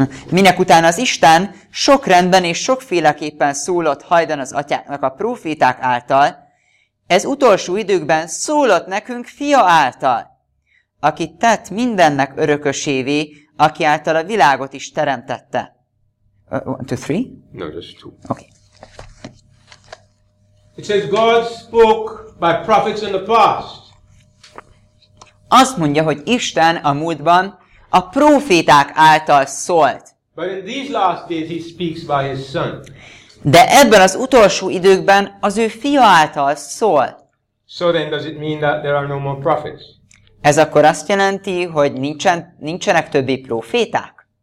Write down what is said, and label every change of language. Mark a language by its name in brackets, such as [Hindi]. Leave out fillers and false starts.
[Hungarian] Minek utána az Isten sok rendben és sokféleképpen szólott hajdan az atyáknak a próféták által, ez utolsó időkben szólott nekünk fia által, akit tett mindennek örökösévé, aki által a világot is teremtette. [English] One, two, three? No, just two. Okay. It says God spoke by prophets in the past. [Hungarian] Azt mondja, hogy Isten a múltban a próféták által szólt. [English] But in these last days he speaks by his son. [Hungarian] De ebben az utolsó időkben az ő fia által szól. [English] So then does it mean that there are no more prophets? [Hungarian] Ez akkor azt jelenti, hogy nincsenek többi próféták?